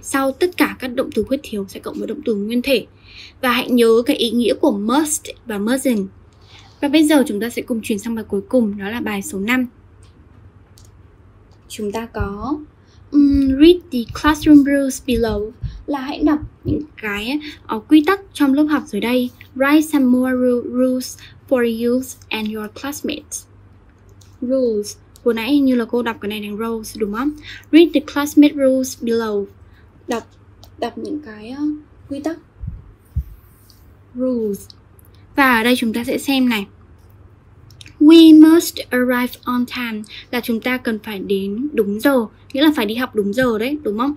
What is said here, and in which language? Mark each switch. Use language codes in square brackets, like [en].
[vi] Sau tất cả các động từ khuyết thiếu sẽ cộng với động từ nguyên thể. Và hãy nhớ cái ý nghĩa của must và mustn't. Và bây giờ chúng ta sẽ cùng chuyển sang bài cuối cùng, đó là bài số 5. Chúng ta có [en] read the classroom rules below, [vi] là hãy đọc những cái quy tắc trong lớp học dưới đây. [en] Write some more rules for you and your classmates. [vi] Rules, vừa nãy như là cô đọc cái này là rules, đúng không? [en] Read the classmate rules below. [vi] Đọc những cái quy tắc. Rules. Và ở đây chúng ta sẽ xem này. [en] We must arrive on time, [vi] là chúng ta cần phải đến đúng giờ, nghĩa là phải đi học đúng giờ đấy, đúng không?